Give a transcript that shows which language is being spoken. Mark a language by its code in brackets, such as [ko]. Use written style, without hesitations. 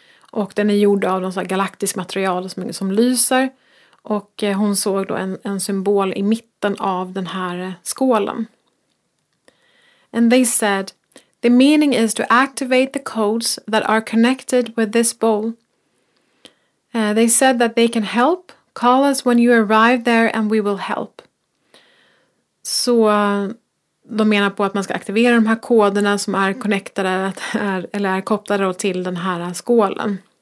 [sv] Och den är gjord av något galaktiskt material som lyser. Och hon såg då en symbol i mitten av den här skålen. [en] And they said, the meaning is to activate the codes that are connected with this bowl. They said that they can help. Call us when you arrive there and we will help. [sv] Så... De menar på att man ska aktivera de här koderna som är connectade eller är kopplade till den här skålen.